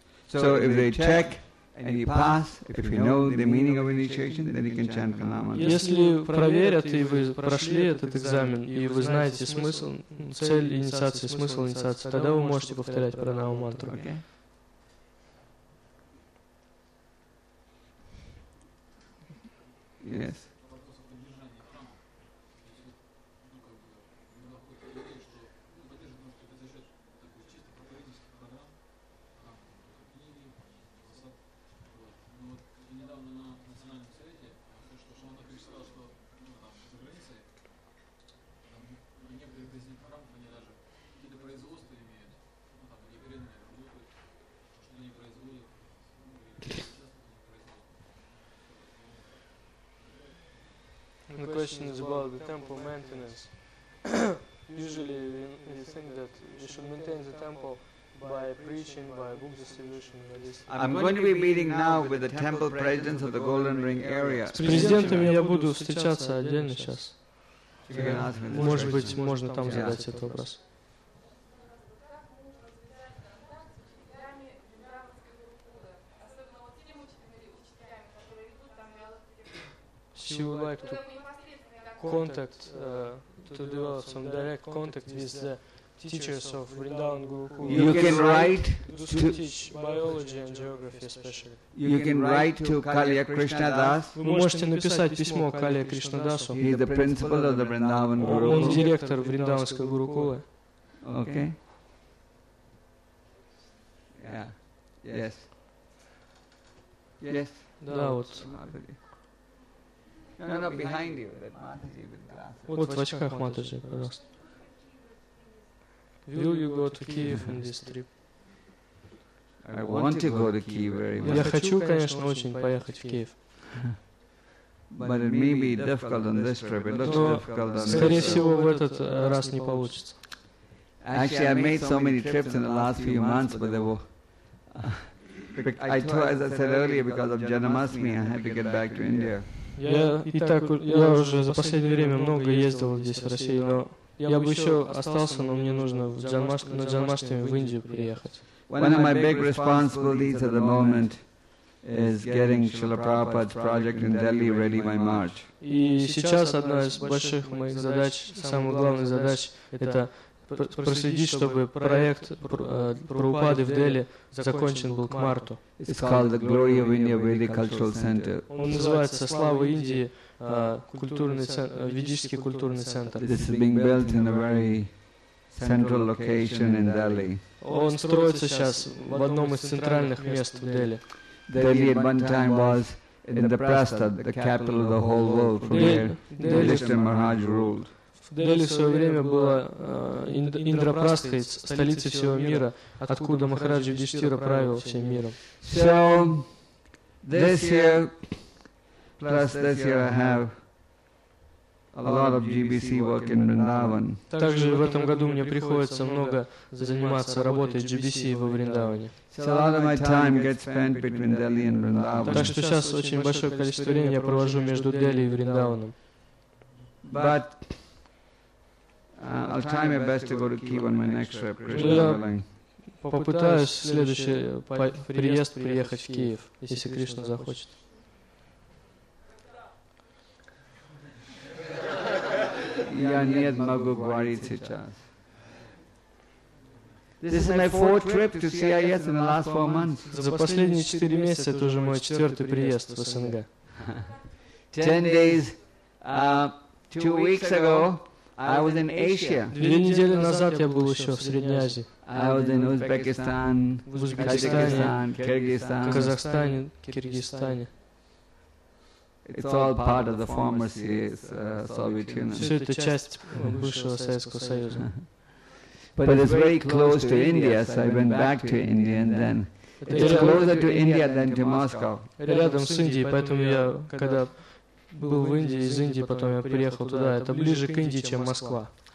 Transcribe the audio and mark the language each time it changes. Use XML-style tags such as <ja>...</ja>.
<en>So if they check and you pass, if you know the meaning of initiation, then you can chant Kanamantra.</en> <ru>Если проверят, и вы прошли этот экзамен, и вы знаете смысл, цель инициации, смысл инициации, тогда вы можете повторять Пранамантру.</ru> <en>Okay. Yes. The question is about the temple maintenance. Usually we think that we should maintain the temple by preaching, by book distribution. I'm going to be meeting now with the temple presidents of the Golden Ring area.</en> <ru>С президентами я буду встречаться отдельно сейчас. Может быть, можно там задать этот вопрос.</ru> <en>She would like to contact to develop some direct contact with the teachers of Vrindavan Gurukula. You can write to teach biology and geography especially. You can write to Kalia Krishna Das.</en> <ru>Вы можете написать письмо Калия Кришна Дасу.</ru> <en>He is the principal of the Vrindavan Gurukula.</en> <ru>Он директор Вриндаванской Гурукулы.</ru> <en>Okay. Yeah. Yes. Yes.</en> <ru>Да, вот.</ru> <en>No, behind you, that Mataji with glasses.</en> <ru>Вот в очках Матаджи, пожалуйста.</ru> <en>Will you go to Kyiv in this trip? I want to go to Kyiv very much.</en> <ru>Я хочу, конечно, очень поехать в Киев.</ru> <en>But it may be difficult on this trip. It looks difficult on this trip.</en> <ru>Скорее всего, в этот раз не получится.</ru> <en>Actually, I made so many trips in the last few months, but they were... As I said earlier, because of Janamasmi, I had to get back to India.</en> <ru>Я уже за последнее время много ездил здесь, в России, но я бы еще остался, но мне нужно на Джанмаштами в Индию приехать.</ru> <en>One of my big responsibilities at the moment is getting Srila Prabhupada's project in Delhi ready by March.</en> <ru>И сейчас одна из больших моих задач, самых главных задач, это проследить, чтобы проект Прабхупады в Дели закончен был к марту.</ru> <en>It's called the Glory of India Vedic Cultural Center.</en> <ru>Он называется Слава Индии культурный центр, ведический культурный центр.</ru> <en>This is being built in a very central location in Delhi.</en> <ru>Он строится сейчас в одном из центральных мест в Дели.</ru> <en>Delhi at one time was in the Prastha, the capital of the whole world, from where Yudhishthira Maharaj ruled.</en> <ru>Delhi в свое время была Индрапрастхой, столицей всего мира, откуда Махараджа Юдхиштхира правил всем миром.</ru> <en>So, this year, plus this year I have a lot of GBC work in Vrindavan.</en> <ru>Также в этом году мне приходится много заниматься работой GBC во Вриндаване.</ru> <en>So a lot of my time gets spent between Delhi and Vrindavan.</en> <ru>Так что сейчас очень большое количество времени я провожу между Дели и Вриндаваном.</ru> <en>But I'll try my best to go to Kiva on my next trip, Krishna willing.</en> <ru>Попытаюсь в следующий приезд приехать в Киев, если Кришна захочет. Я не могу говорить сейчас.</ru> <en>This is my fourth trip to CIS in the last 4 months.</en> <ru>За последние 4 месяца это уже мой четвертый приезд в СНГ.</ru> <en>10 days, 2 weeks ago, I was in Asia.</en> <ru>2 недели назад я был еще в Средней Азии.</ru> <en>I was in Uzbekistan, Kyrgyzstan,</en> <ru>Казахстане, Киргизстане.</ru> <en>It's all part of the former Soviet Union.</en> <ru>Все это часть бывшего Советского Союза.</ru> <en>But it's very close to India, so I went back to India, and then it's closer to India than to Moscow.</en> <ru>Рядом с Индией, поэтому я когда был в Индии, из Индии потом я приехал туда. Это ближе к Индии, чем Москва.</ru>